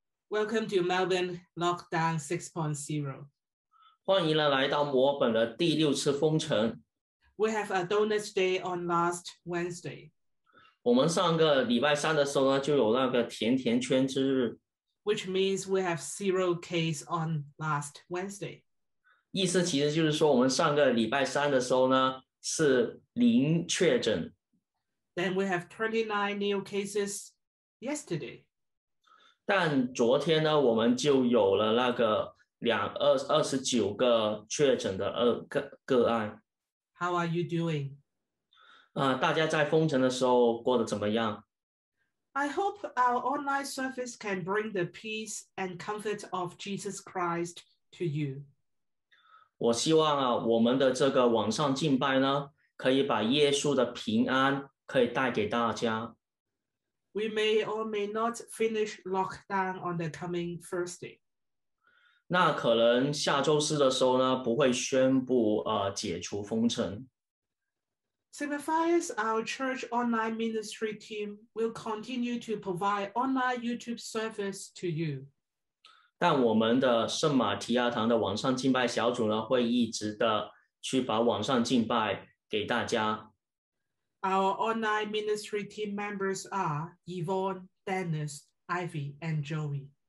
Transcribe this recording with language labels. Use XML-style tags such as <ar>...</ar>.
<en>Welcome to Melbourne Lockdown 6.0，</en> <zh>欢迎来到墨尔本的第六次封城。</zh> <en>We have a donut day on last Wednesday.</en> <zh>我们上个礼拜三的时候呢，就有那个甜甜圈之日。</zh> <en>Which means we have zero case on last Wednesday.</en> <zh>意思其实就是说，我们上个礼拜三的时候呢，是零确诊。</zh> <en>Then we have 29 new cases yesterday.</en> <zh>但昨天呢，我们就有了那个29个确诊的个案。</zh> <en>How are you doing？</en> <zh>大家在封城的时候过得怎么样</zh> <en>？I hope our online service can bring the peace and comfort of Jesus Christ to you。</en> <zh>我希望啊，我们的这个网上敬拜呢，可以把耶稣的平安可以带给大家。</zh> <en>We may or may not finish lockdown on the coming Thursday。</en> <zh>那可能下周四的时候呢，不会宣布解除封城。</zh> <en>Signifies our church online ministry team will continue to provide online YouTube service to you.</en> <zh>但我们的圣马提亚堂的网上敬拜小组呢，会一直的去把网上敬拜给大家。</zh> <en>Our online ministry team members are Yvonne, Dennis, Ivy, and Joey.</en>